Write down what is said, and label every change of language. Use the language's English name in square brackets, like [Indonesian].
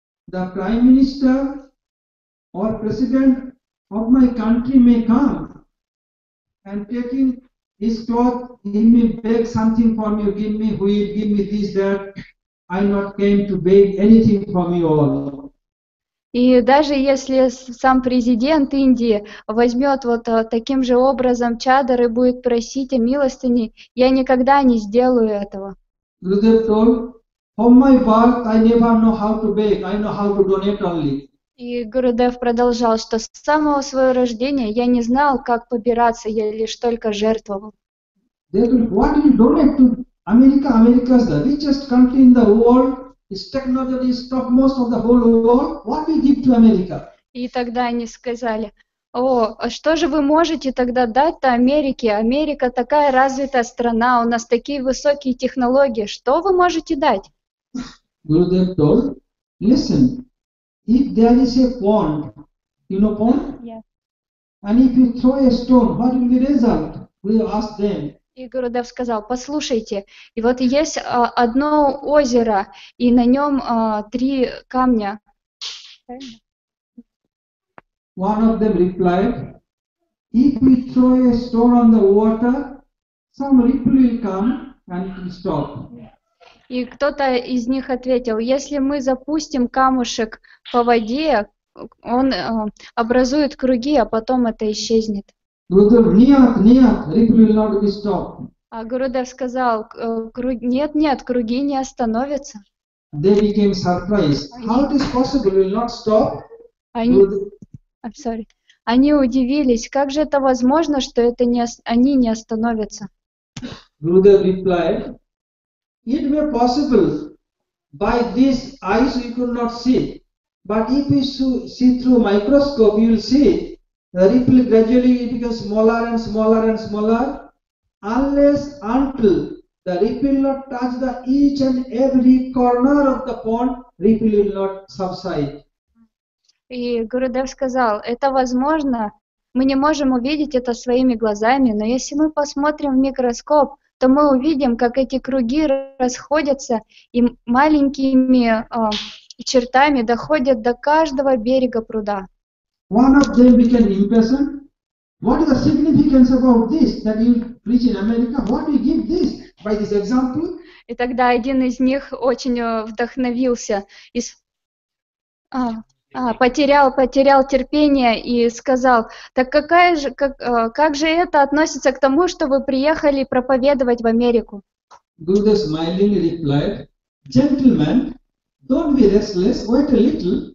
[English] The Prime Minister or President of my country may come and taking his cloth, he may beg something from you, give me wheat, give me this, that. I not came to beg anything from you all. [Russian] И даже если сам президент Индии возьмет вот таким же образом чадар и будет просить о милостыне, я никогда не сделаю этого. [English] Gurudev told, from my birth I never know how to beg, I know how to donate only. [Russian] И Гурудев продолжал, что с самого своего рождения я не знал, как побираться, я лишь только жертвовал. [English] They told, what you donate to America? America is the richest country in the world. Its technology is topmost of the whole world. What we give to America? [Russian] И тогда они сказали: о, а что же вы можете тогда дать-то Америке? Америка такая развитая страна, у нас такие высокие технологии. Что вы можете дать? [English] Gurudev told, listen, if there is a pond, you know pond? Yeah. And if you throw a stone, what will be the result? We ask them. [Russian] И Гурудев сказал: послушайте, и вот есть одно озеро, и на нем три камня. [English] One of them replied, if we throw a stone on the water, some ripple will come and it will stop. [Russian] И кто-то из них ответил: если мы запустим камушек по воде, он образует круги, а потом это исчезнет. [English] Gurudev, [Russian] нет, нет, [English] ripple will not be stopped. [Russian] А Гурудев сказал: нет, нет, круги не остановятся. [English] They became surprised. How it is possible, will not stop? [Russian] Они, [English] I'm sorry. [Russian] Они удивились: как же это возможно, что это не, они не остановятся? [English] Gurudev replied, it may possible. By these eyes you could not see, but if you see through microscope, you will see. The ripple gradually becomes smaller and smaller and smaller, unless until the ripple will not touch the each and every corner of the pond, ripple will not subside. [Russian] И Гурудев сказал: это возможно, мы не можем увидеть это своими глазами, но если мы посмотрим в микроскоп, то мы увидим, как эти круги расходятся и маленькими чертами доходят до каждого берега пруда. [English] One of them became impatient. What is the significance about this that you preach in America? What do you give this by this example? [Russian] И тогда один из них очень вдохновился и потерял терпение и сказал: так какая же как же это относится к тому, что вы приехали проповедовать в Америку? [English] Gurudev smilingly replied, gentlemen, don't be restless. Wait a little.